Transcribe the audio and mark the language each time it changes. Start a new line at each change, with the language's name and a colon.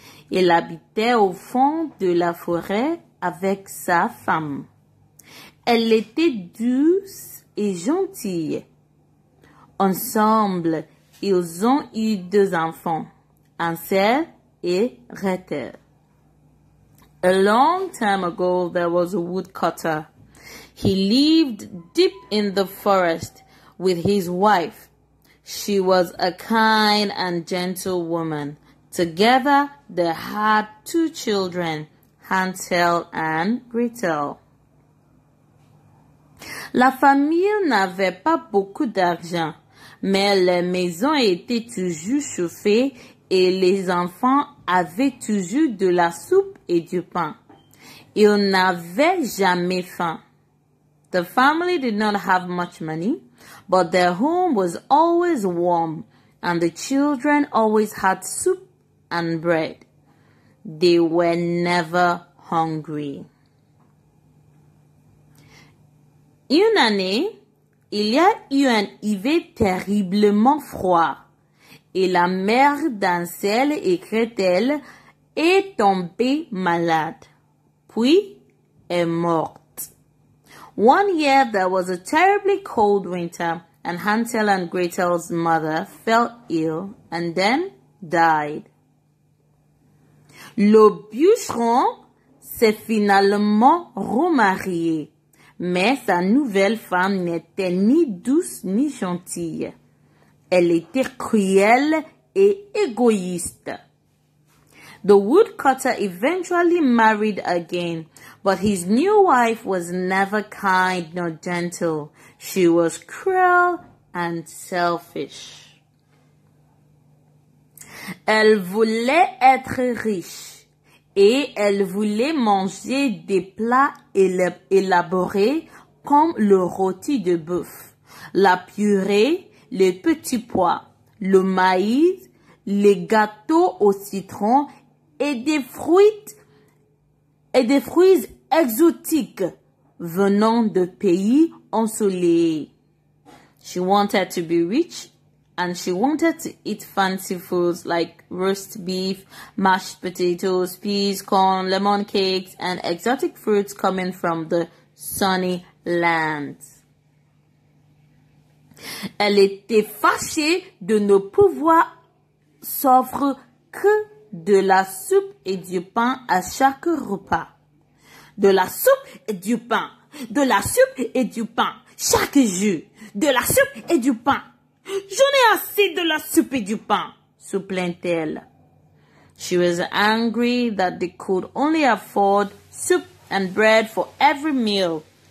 French: Il habitait au fond de la forêt avec sa femme. Elle était douce et gentille. Ensemble, ils ont eu deux enfants, Hansel et Gretel.
English: A long time ago, there was a woodcutter. He lived deep in the forest with his wife. She was a kind and gentle woman. Together, they had two children, Hansel and Gretel.
French: La famille n'avait pas beaucoup d'argent, mais la maison était toujours chauffée et les enfants avaient toujours de la soupe et du pain. Ils n'avaient jamais faim.
English: The family did not have much money, but their home was always warm and the children always had soup and bread. They were never hungry.
French: Une année, il y a eu un hiver terriblement froid et la mère d'Hansel et Gretel est tombée malade, puis est morte.
English: One year there was a terribly cold winter and Hansel and Gretel's mother fell ill and then died.
French: Le bûcheron s'est finalement remarié. Mais sa nouvelle femme n'était ni douce ni gentille. Elle était cruelle et égoïste.
English: The woodcutter eventually married again, but his new wife was never kind nor gentle. She was cruel and selfish.
French: Elle voulait être riche. Et elle voulait manger des plats élaborés comme le rôti de bœuf, la purée, les petits pois, le maïs, les gâteaux au citron et des fruits exotiques venant de pays ensoleillés.
English: She wanted to be rich. And she wanted to eat fancy foods like roast beef, mashed potatoes, peas, corn, lemon cakes, and exotic fruits coming from the sunny lands.
French: Elle était fâchée de ne pouvoir s'offrir que de la soupe et du pain à chaque repas. De la soupe et du pain. De la soupe et du pain. Chaque jour. De la soupe et du pain. J'en ai assez de la soupe et du pain, se plaint-elle.
English: She was angry that they could only afford soup and bread for every meal.